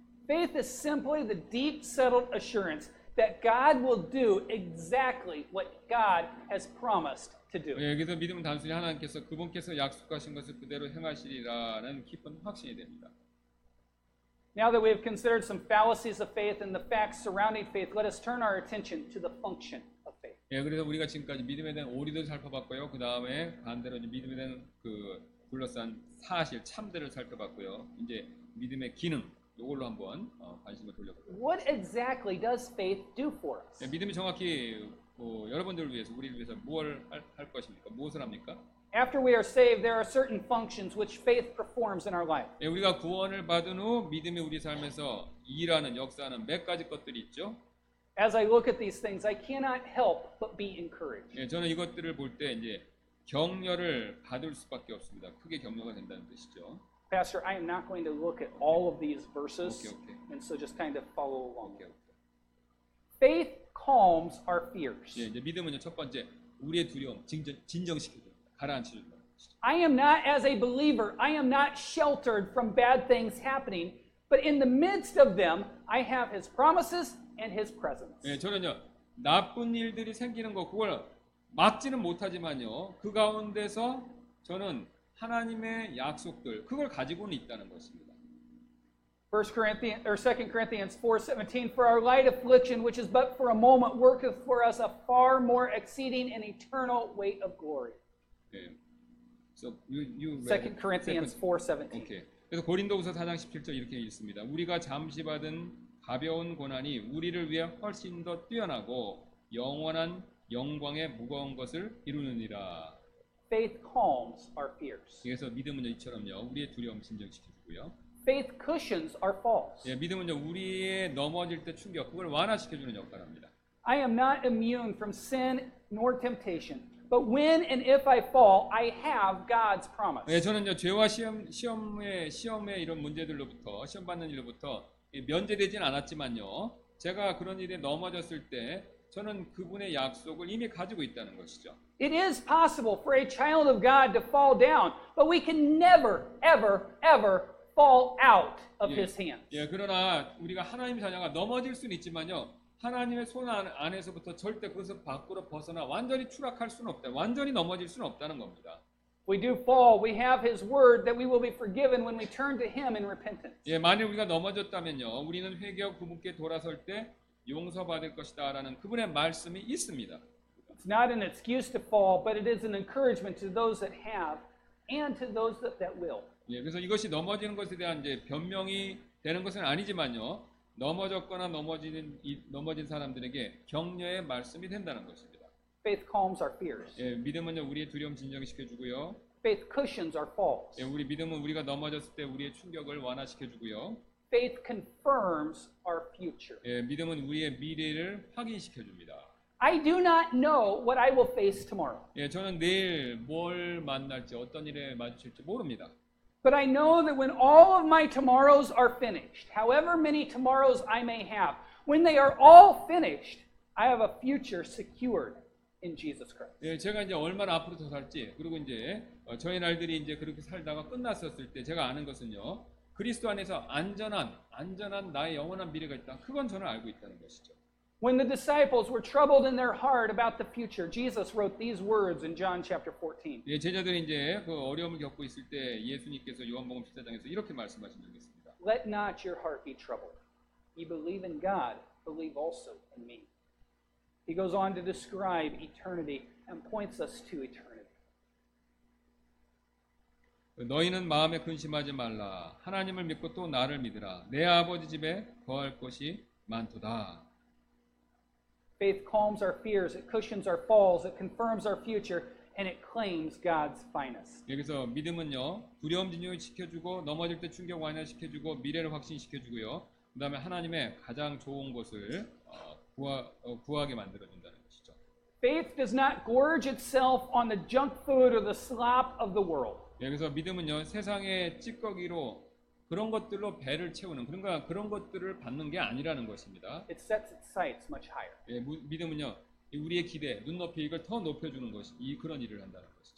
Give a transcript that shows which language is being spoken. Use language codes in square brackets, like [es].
[en] Faith is simply the deep settled assurance that God will do exactly what God has promised to do. [ko] 예, 여기서 믿음은 단순히 하나님께서 그분께서 약속하신 것을 그대로 행하시리라는 깊은 확신이 됩니다. [en] Now that we have considered some fallacies of faith and the facts surrounding faith, let us turn our attention to the function of faith. [ko] 예, 그래서 우리가 지금까지 믿음에 대한 오류도 살펴봤고요. 그 다음에 반대로 이제 믿음에 대한 그 둘러싼 사실 참들을 살펴봤고요. 이제 믿음의 기능 이걸로 한번 관심을 돌려보겠습니다. [en] What exactly does faith do for us? [ko] 예, 믿음이 정확히 여러분들을 위해서, 우리를 위해서 무엇을 할 것입니까? 무엇을 합니까? [en] After we are saved, there are certain functions which faith performs in our life. [ko] 예, 우리가 구원을 받은 후 믿음이 우리 삶에서 일하는 역사하는 몇 가지 것들이 있죠. [en] As I look at these things, I cannot help but be encouraged. [ko] 예, 저는 이것들을 볼 때 이제 격려를 받을 수밖에 없습니다. 크게 격려가 된다는 뜻이죠. [en] Pastor, I am not going to look at all of these verses, and so just kind of follow along. Faith calms our fears. [ko] 예, 이제 믿음은요 첫 번째 우리의 두려움 진정시켜줍니다. 가라앉혀줍니다. [en] I am not as a believer. I am not sheltered from bad things happening, but in the midst of them, I have His promises and His presence. [ko] 예, 저는요 나쁜 일들이 생기는 거 그걸 막지는 못하지만요 그 가운데서 저는 하나님의 약속들 그걸 가지고는 있다는 것입니다. [en] 2 Corinthians 4:17 For our light affliction which is but for a moment worketh for us a far more exceeding and eternal weight of glory. Okay. So you read 2 Corinthians 4:17. Okay. [ko] 그래서 고린도후서 4장 17절 이렇게 읽습니다. 우리가 잠시 받은 가벼운 고난이 우리를 위해 훨씬 더 뛰어나고 영원한 영광의 무거운 것을 이루느니라. [en] Faith calms our fears. [ko] 그래서 믿음은요 이처럼요 우리의 두려움 진정시켜주고요. [en] Faith cushions our falls. [ko] 예, 믿음은요 우리의 넘어질 때 충격 그걸 완화시켜주는 역할입니다. [en] I am not immune from sin nor temptation, but when and if I fall, I have God's promise. [ko] 예, 저는요 죄와 시험의 이런 문제들로부터 시험 받는 일로부터 면제되진 않았지만요 제가 그런 일에 넘어졌을 때 저는 그분의 약속을 이미 가지고 있다는 것이죠. [en] It is possible for a child of God to fall down, but we can never, ever, ever fall out of 예, His hands. [ko] 예, 그러나 우리가 하나님 자녀가 넘어질 수는 있지만요, 하나님의 손 안에서부터 절대 그것을 밖으로 벗어나 완전히 추락할 수는 없다, 완전히 넘어질 수는 없다는 겁니다. [en] We do fall. We have His word that we will be forgiven when we turn to Him in repentance. [ko] 예, 만일 우리가 넘어졌다면요, 우리는 회개하고 그분께 돌아설 때 용서받을 것이다라는 그분의 말씀이 있습니다. [en] It's not an excuse to fall, but it is an encouragement to those that have and to those that will. [ko] 예, 그래서 이것이 넘어지는 것에 대한 이제 변명이 되는 것은 아니지만요. 넘어졌거나 넘어진 사람들에게 격려의 말씀이 된다는 것입니다. [en] Faith calms our fears. [ko] 예, 믿음은요 우리의 두려움 진정시켜 주고요. [en] Faith cushions our falls. [ko] 예, 우리 믿음은 우리가 넘어졌을 때 우리의 충격을 완화시켜 주고요. [en] Faith confirms our future. [ko] 예, 믿음은 우리의 미래를 확인시켜 줍니다. [en] I do not know what I will face tomorrow. [ko] 예, 저는 내일 뭘 만날지 어떤 일에 마주칠지 모릅니다. [en] But I know that when all of my tomorrows are finished, however many tomorrows I may have, when they are all finished, I have a future secured in Jesus Christ. [ko] 예, 제가 이제 얼마나 앞으로 더 살지, 그리고 이제 저의 날들이 이제 그렇게 살다가 끝났었을 때 제가 아는 것은요. 그리스도 안에서 안전한 나의 영원한 미래가 있다. 그건 저는 알고 있다는 것이죠. [en] When the disciples were troubled in their heart about the future, Jesus wrote these words in John chapter 14. [ko] 예, 제자들이 이제 그 어려움을 겪고 있을 때 예수님께서 요한복음 14장에서 이렇게 말씀하신 적이 있습니다. [en] Let not your heart be troubled. You believe in God, believe also in me. He goes on to describe eternity and points us to eternity. [ko] 너희는 마음에 근심하지 말라. 하나님을 믿고 또 나를 믿으라. 내 아버지 집에 거할 곳이 많도다. [en] Faith calms our fears, it cushions our falls, it confirms our future, and it claims God's finest. [ko] 여기서 믿음은요, 두려움 진정을 지켜주고 넘어질 때 충격 완화시켜주고 미래를 확신시켜주고요. 그 다음에 하나님의 가장 좋은 것을 구하게 만들어준다는 것이죠. [en] Faith does not gorge itself on the junk food or the slop of the world. [ko] 그래서 믿음은요, 세상의 찌꺼기로 그런 것들로 배를 채우는 그런가 그런 것들을 받는 게 아니라는 것입니다. [en] It sets its sights much higher. [ko] 예, 믿음은요, 우리의 기대, 눈높이 이걸 더 높여주는 것이 그런 일을 한다는 것이죠.